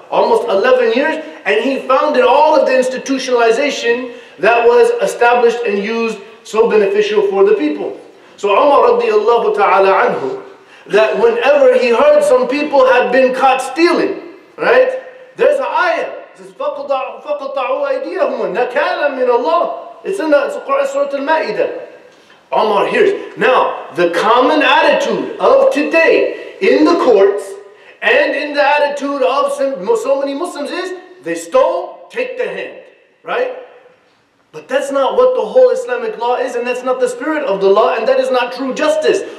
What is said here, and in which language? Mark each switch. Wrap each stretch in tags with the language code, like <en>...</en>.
<en>Almost 11 years, and he founded all of the institutionalization that was established and used so beneficial for the people. So Umar radiallahu ta'ala anhu, that whenever he heard some people had been caught stealing, right? There's an ayah. It says,</en> <ar>فَقَطَعُوا أَيْدِيَهُمْ نَكَالًا مِنَ اللَّهِ.</ar> <en>It's in the Surah Al-Ma'idah. Umar hears. Now, the common attitude of today in the courts and in the attitude of so many Muslims is, they stole, take the hand, right? But that's not what the whole Islamic law is, and that's not the spirit of the law, and that is not true justice.</en>